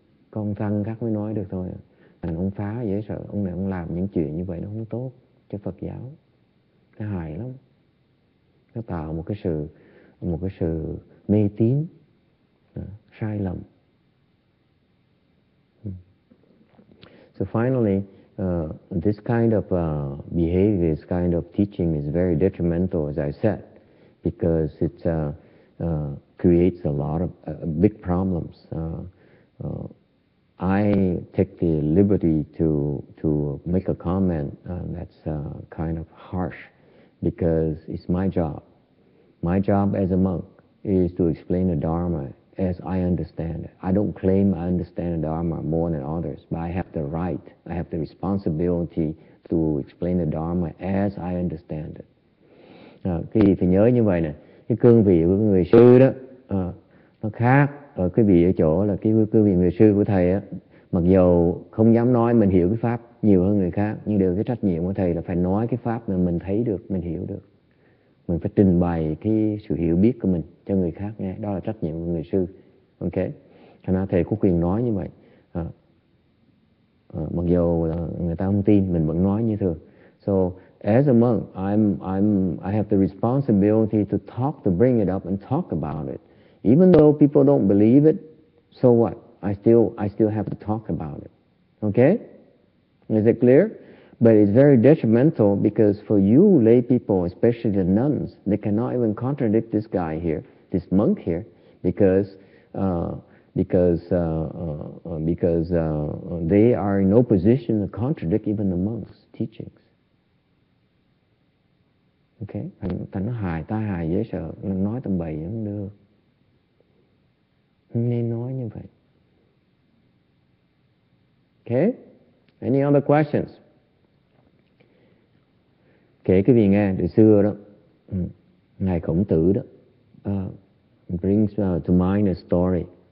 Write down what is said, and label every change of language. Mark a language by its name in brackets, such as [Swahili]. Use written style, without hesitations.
[Vietnamese] Con thân khác mới nói được thôi. Thành ông phá dễ sợ, ông này ông làm những chuyện như vậy nó không tốt cho Phật giáo. Nó hại lắm. Nó tạo một cái sự mê tín, sai lầm. [English] So finally, this kind of behavior, this kind of teaching is very detrimental, as I said, because it creates a lot of big problems. I take the liberty to make a comment that's kind of harsh, because it's my job. My job as a monk is to explain the Dharma as I understand it. I don't claim I understand the Dharma more than others, but I have the right, I have the responsibility to explain the Dharma as I understand it. [Vietnamese] Cái gì phải nhớ như vậy nè, cái cương vị của người sư đó, nó khác ở cái vị ở chỗ là cái cương vị người sư của thầy á, mặc dù không dám nói mình hiểu cái pháp nhiều hơn người khác, nhưng được cái trách nhiệm của thầy là phải nói cái pháp mà mình thấy được, mình hiểu được. Mình phải trình bày cái sự hiểu biết của mình cho người khác nghe. Đó là trách nhiệm của người sư. Ok. Thế nên thầy có quyền nói như vậy. Mặc dù người ta không tin, mình vẫn nói như thường. [English] So, as a monk, I have the responsibility to talk, to bring it up and talk about it. Even though people don't believe it, so what? I still have to talk about it. Ok. Is it clear? But it's very detrimental because for you lay people, especially the nuns, they cannot even contradict this guy here, this monk here, because they are in no position to contradict even the monk's teachings. Okay? [Vietnamese] Thành nó hài, tai hài dễ sợ, nói tầm bậy cũng được. Nên nói như vậy. [English] Okay? Any other questions? [Vietnamese] Kể cái vị nghe, từ xưa đó, ngài Khổng Tử đó, [English] brings to mind a story.